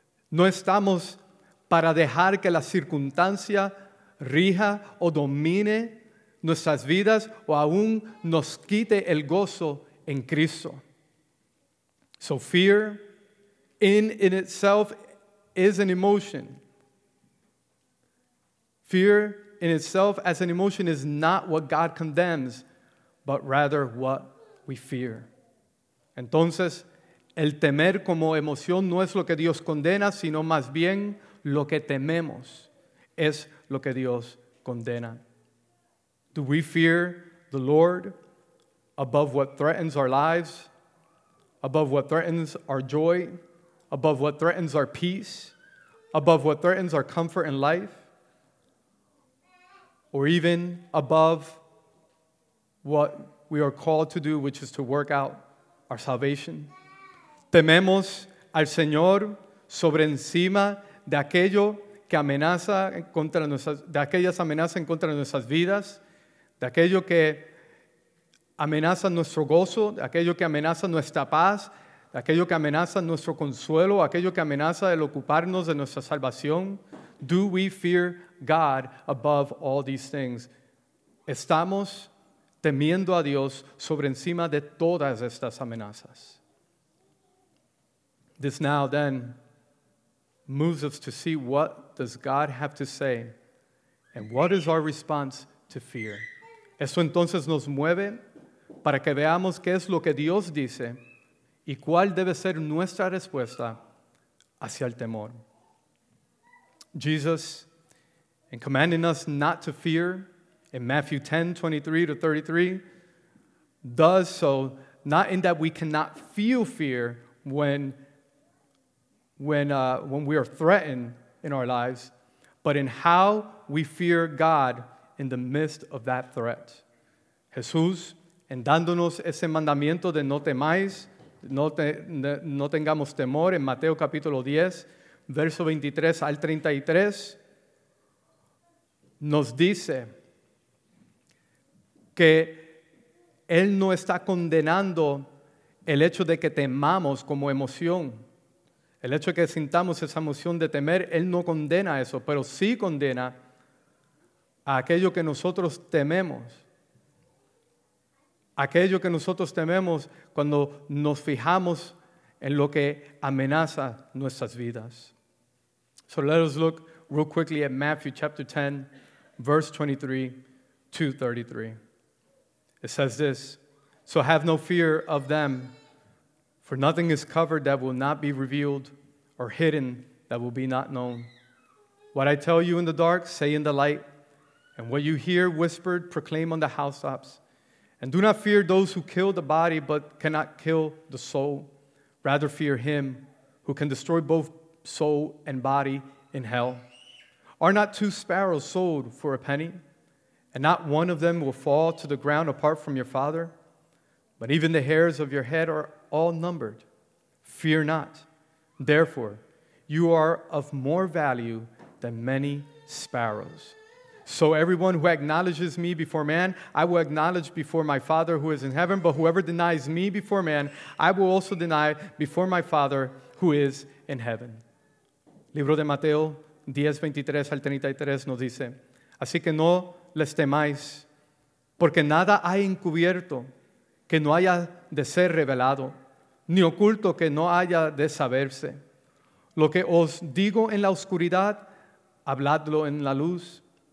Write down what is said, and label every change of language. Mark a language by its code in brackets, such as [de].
[es] No estamos para dejar que la circunstancia rija o domine nuestras vidas o aún nos quite el gozo en Cristo. [en] So fear in itself is an emotion. Fear in itself as an emotion is not what God condemns, but rather what we fear. [es] Entonces, el temer como emoción no es lo que Dios condena, sino más bien lo que tememos es lo que Dios condena. [en] Do we fear the Lord above what threatens our lives, above what threatens our joy, above what threatens our peace, above what threatens our comfort in life, or even above what we are called to do, which is to work out our salvation? [es] Tememos al Señor sobre encima de aquello que amenaza contra nuestras, de aquellas amenazas en contra de nuestras vidas, de aquello que amenaza nuestro gozo, de aquello que amenaza nuestra paz, de aquello que amenaza nuestro consuelo, aquello que amenaza el ocuparnos de nuestra salvación. [en] Do we fear God above all these things? [es] ¿Estamos temiendo a Dios sobre encima de todas estas amenazas? [en] This now then moves us to see what does God have to say and what is our response to fear. [es] Eso entonces nos mueve para que veamos qué es lo que Dios dice y cuál debe ser nuestra respuesta hacia el temor. [en] Jesus, in commanding us not to fear in Matthew 10:23-33, does so not in that we cannot feel fear when we are threatened in our lives, but in how we fear God in the midst of that threat. [es] Jesús, en dándonos ese mandamiento de no temáis, no tengamos temor, en Mateo capítulo 10, verso 23-33, nos dice que Él no está condenando el hecho de que temamos como emoción. El hecho de que sintamos esa emoción de temer, Él no condena eso, pero sí condena a aquello que nosotros tememos. Aquello que nosotros tememos cuando nos fijamos en lo que amenaza nuestras vidas. [en] So let us look real quickly at Matthew chapter 10, verse 23-33. It says this, "So have no fear of them, for nothing is covered that will not be revealed, or hidden that will be not known. What I tell you in the dark, say in the light, and what you hear whispered, proclaim on the housetops. And do not fear those who kill the body, but cannot kill the soul. Rather fear him who can destroy both soul and body in hell. Are not two sparrows sold for a penny? And not one of them will fall to the ground apart from your Father? But even the hairs of your head are all numbered. Fear not. Therefore, you are of more value than many sparrows. So everyone who acknowledges me before man, I will acknowledge before my Father who is in heaven. But whoever denies me before man, I will also deny before my Father who is in heaven." [es] Libro de Mateo 10:23-33 nos dice, "Así que no les temáis, porque nada hay encubierto que no haya de ser revelado, ni oculto que no haya de saberse. Lo que os digo en la oscuridad, habladlo en la luz.